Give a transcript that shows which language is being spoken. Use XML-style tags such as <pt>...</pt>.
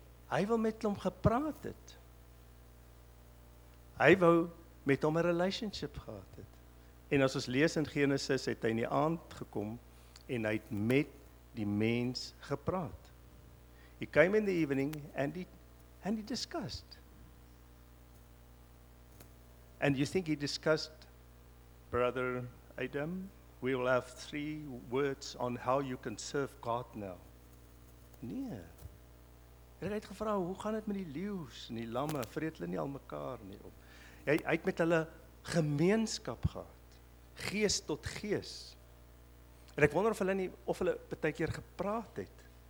<af>Hy wil met hom gepraat het. Hy wou met hom 'n relationship gehad het. En as ons lees in Genesis, het hy in die aand gekom en hy het met die mens gepraat.</af> <en>He came in the evening and he discussed. And you think he discussed, brother Adam, we will have 3 words on how you can serve God now.</en> <af>Nee. Hy het gevra, hoe gaan dit met die leeu's en die lamme? Vreet hulle nie al mekaar nie op? Hy het met hulle gemeenskap gehad. Gees tot gees. En ek wonder of hulle nie, of hulle baie keer gepraat het.</af>